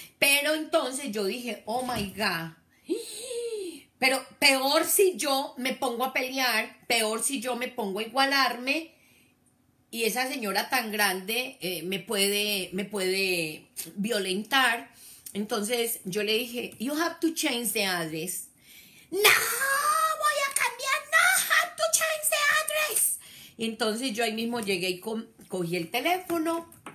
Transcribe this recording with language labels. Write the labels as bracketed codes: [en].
[es] Pero entonces yo dije, [en] oh my God. [es] Pero peor si yo me pongo a pelear, peor si yo me pongo a igualarme y esa señora tan grande me puede violentar. Entonces yo le dije, [en] you have to change the address. [es] ¡No voy a cambiar! [en] ¡No have to change the address! [es] Y entonces yo ahí mismo llegué y cogí el teléfono.